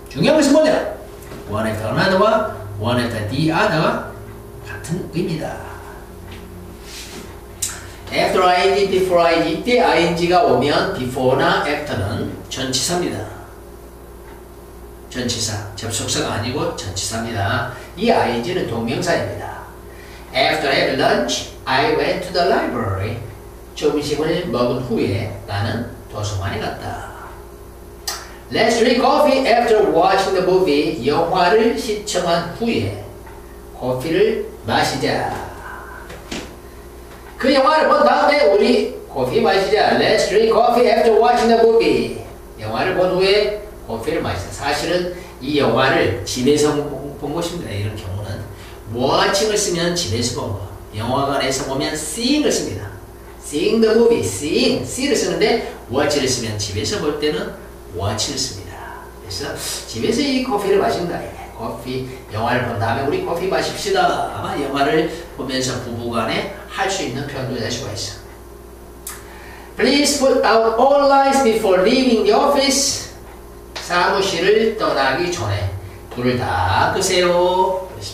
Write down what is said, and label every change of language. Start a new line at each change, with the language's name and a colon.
Korean: 중요한 것은 뭐냐?
English: One after another
Korean: 와
English: one after the other
Korean: 가 같은 의미다.
English: After ing, before ing,
Korean: 이때 ing가 오면 before나 after는 전치사입니다. 전치사, 접속사가 아니고 전치사입니다. 이 ing는 동명사입니다.
English: After I had lunch, I went to the library.
Korean: 점심을 먹은 후에 나는 도서관에 갔다.
English: Let's drink coffee after watching the movie.
Korean: 영화를 시청한 후에 커피를 마시자. 그 영화를 본 다음에 우리 커피 마시자.
English: Let's drink coffee after watching the movie.
Korean: 영화를 본 후에 커피를 마시자. 사실은 이 영화를 집에서 본 것입니다. 이런 경우는 watching을 쓰면 집에서 본 거. 영화관에서 보면 seeing을 씁니다.
English: Seeing the movie, seeing,
Korean: see를 쓰는데 watch를 쓰면 집에서 볼 때는 watch를 씁니다. 그래서 집에서 이 커피를 마신다. 커피, 영화를 본 다음에 우리 커피 마십시다. 아마 영화를 보면서 부부간에 할 수 있는 표현도 될 수가 있어.
English: Please put out all lights before leaving the office.
Korean: 사무실을 떠나기 전에 불을 다 끄세요.